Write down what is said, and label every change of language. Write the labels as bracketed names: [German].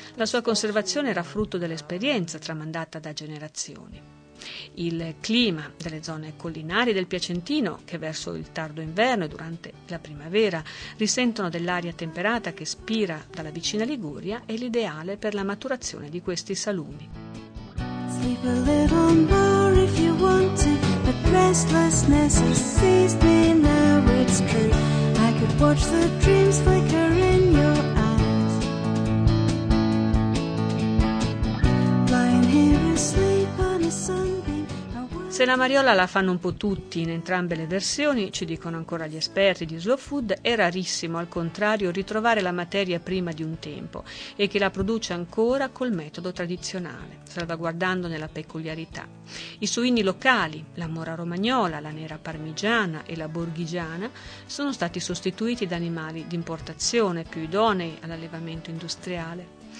[Italian] La sua conservazione era frutto dell'esperienza tramandata da generazioni. Il clima delle zone collinari del Piacentino, che verso il tardo inverno e durante la primavera risentono dell'aria temperata che spira dalla vicina Liguria, è l'ideale per la maturazione di questi salumi. [English] Sleep a little more if you want to, but restlessness has seized me, now it's true. I could watch the dreams flicker in your eyes. Lying here asleep on a sunbeam. [Italian] Se la mariola la fanno un po' tutti in entrambe le versioni, ci dicono ancora gli esperti di Slow Food, è rarissimo al contrario ritrovare la materia prima di un tempo e che la produce ancora col metodo tradizionale, salvaguardandone la peculiarità. I suini locali, la mora romagnola, la nera parmigiana e la borghigiana, sono stati sostituiti da animali d'importazione più idonei all'allevamento industriale.